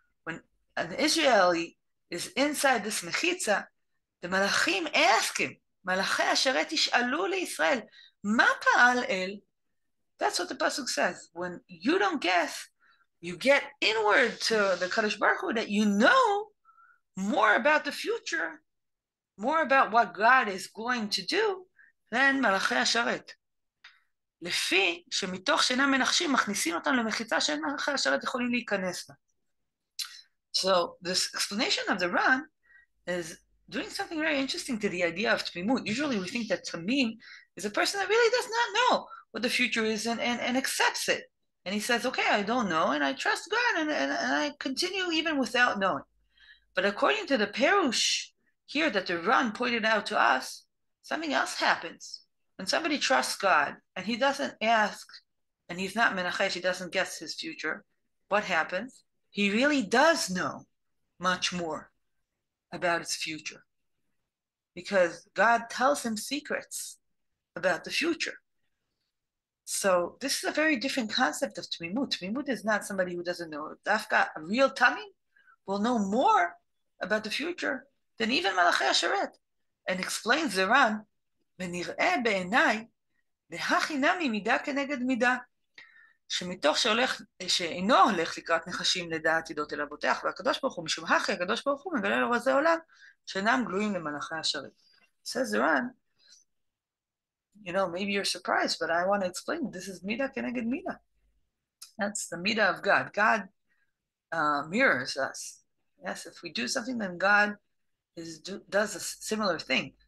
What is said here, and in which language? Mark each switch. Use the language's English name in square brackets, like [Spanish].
[English] When an Israeli is inside this Mechitza, the Malachim ask him, [Hebrew] Malachi Asheret ish'alu l'Yisrael, Ma pa'al el? [English] That's what the Pasuk says. When you don't guess, you get inward to the Kadosh Baruch Hu that you know more about the future, more about what God is going to do than Malachi HaSharet. [Hebrew] לפי שמתוך שינה מנחשים מכניסים אותם למחיצה שאין מלאכי השרת יכולים להיכנס לה. [English] So this explanation of the Ran is doing something very interesting to the idea of Tmimut. Usually we think that Tamim is a person that really does not know what the future is and accepts it. And he says, okay, I don't know, and I trust God, and I continue even without knowing. But according to the Perush here that the Ran pointed out to us, something else happens. When somebody trusts God, and he doesn't ask, and he's not Menachesh, he doesn't guess his future, what happens? He really does know much more about his future. Because God tells him secrets about the future. So this is a very different concept of Tmimut. Tmimut is not somebody who doesn't know. Dafka, a real Tamim, will know more about the future than even Malachi HaSharet. And explains the Ran, [Hebrew] ונראה בעיניי, והכי נמי מידה כנגד מידה, שמתוך שאינו הולך לקראת נחשים לדעת עידות אל הבוטח, והקדוש ברוך הוא משום הכי, הקדוש ברוך הוא מגלה לרזי עולם, שאינם גלויים למלאכי השרת. [English] Says the Ran, you know, maybe you're surprised, but I want to explain. This is Mida Keneged Mida. That's the Mida of God. God mirrors us. Yes, if we do something, then God does a similar thing.